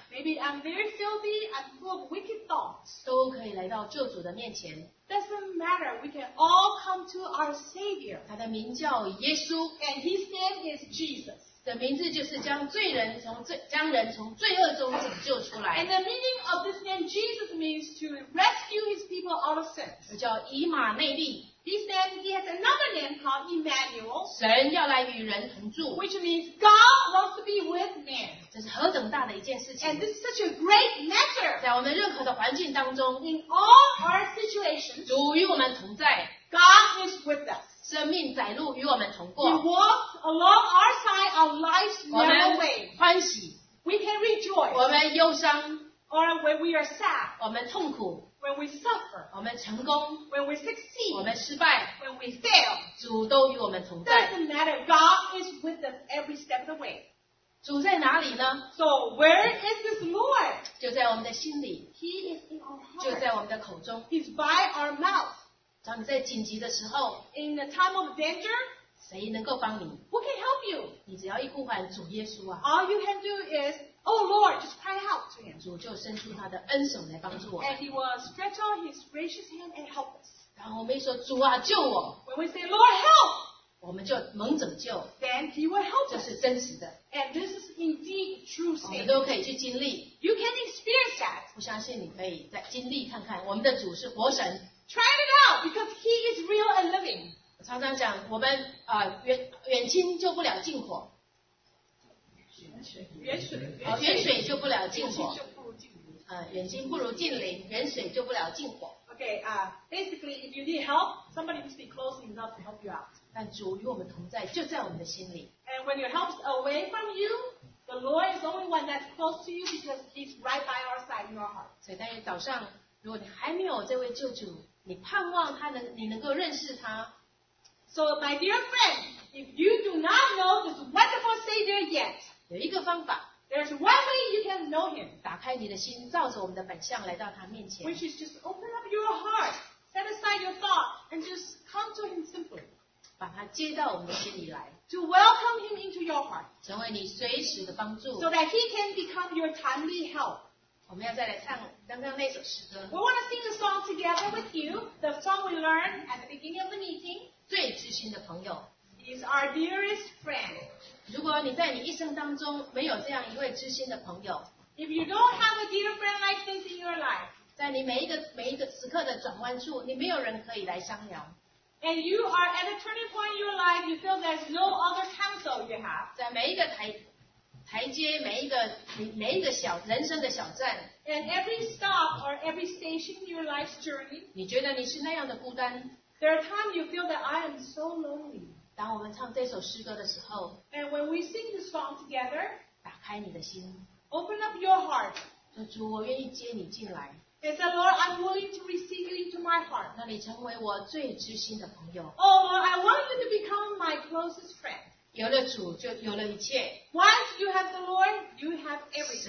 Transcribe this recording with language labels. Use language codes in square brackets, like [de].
[en] Maybe I'm very filthy. I'm full of wicked thoughts. [zh] 都可以来到救主的面前。 [en] Doesn't matter. We can all come to our Savior. [zh] 他的名叫耶稣。 [en] And his name is Jesus. [zh] 的名字就是将人从罪恶中拯救出来。 [en] And the meaning of this name Jesus means to rescue his people out of sin. [zh] 这叫以马内利。 [en] He said he has another name called Emmanuel. [zh] 神要来与人同住。 [en] Which means God wants to be with man. [zh] 这是何等大的一件事情。 [en] And this is such a great matter. [zh] 在我们任何的环境当中。 [en] In all our situations. [zh] 主与我们同在。 [en] God is with us. [zh] 生命载路与我们同过。 [en] He walks along our side of life's narrow way. [zh] 我们欢喜。 [en] We can rejoice. [zh] 我们忧伤。 [en] Or when we are sad. [zh] 我们痛苦。 [en] When we suffer, [zh] 我们成功 [en] when we succeed, [zh] 我们失败 [en] when we fail, [zh] 主都与我们同在 [en] doesn't matter, God is with us every step of the way. [zh] 主在哪里呢 [en] So where is this Lord? [zh] 就在我们的心里 [en] He is in our heart. [zh] 就在我们的口中 [en] He's by our mouth. [zh] 当你在紧急的时候 [en] In the time of danger, [zh] 谁能够帮你 [en] Who can help you? [zh] 你只要一呼唤主耶稣啊 [en] All you can do is,Oh Lord, just cry out to him. [zh] 主就伸出他的恩手来帮助我。 [en] And he will stretch out his gracious hand and help us. [zh] 然后我们一说主啊救我。 [en] When we say Lord help, [zh] 我们就蒙拯救。 [en] Then he will help us. [zh] 这是真实的。 [en] And this is indeed true statement. [zh] 我们都可以去经历。 [en] You can experience that. [zh] 我相信你可以再经历看看我们的主是活神。 [en] Try it out because he is real and living. [zh] 我常常讲我们、远亲救不了近火。远水就不了近火，远亲不如近邻，远水就不了近火。 [en] Basically, if you need help, somebody must be close enough to help you out. [zh] 但主与我们同在，就在我们的心里。 [en] And when your help is away from you, the Lord is the only one that's close to you because He's right by our side in your heart. [zh] 所以，当你早上如果你还没有这位救主，你盼望他能，你能够认识他。 [en] So, my dear friend, if you do not know this wonderful Savior yet. [zh] 有一个方法。 [en] There's one way you can know him. [zh] 打开你的心，照着我们的本相来到他面前。 [en] Which is just open up your heart, set aside your thought, and just come to him simply. [zh] 把他接到我们的心里来。 [en] To welcome him into your heart. [zh] 成为你随时的帮助。 [en] So that he can become your timely help. [zh] 我们要再来唱刚刚那首诗歌。 [en] We want to sing a song together with you, the song we learned at the beginning of the meeting. [zh] 最知心的朋友。 [en] He's our dearest friend. [zh] 如果你在你一生当中没有这样一位知心的朋友 [en] If you don't have a dear friend like this in your life, [zh] 在你每一个时刻的转弯处你没有人可以来商量 [en] And you are at a turning point in your life, you feel there's no other counsel you have. [zh] 在每一个 台阶每一个小人生的小站 [en] And every stop or every station in your life's journey, [zh] 你觉得你是那样的孤单 [en] There are times you feel that I am so lonely. [zh] 当我们唱这首诗歌的时候 [en] And when we sing this song together [zh] 打开你的心 [en] Open up your heart [zh] 主我愿意接你进来 [en] They said, Lord, I'm willing to receive you into my heart. [zh] 那你成为我最知心的朋友。 [en] Oh, Lord, I want you to become my closest friend. [zh] 有了主就有了一切。 [en] Once you have the Lord, you have everything.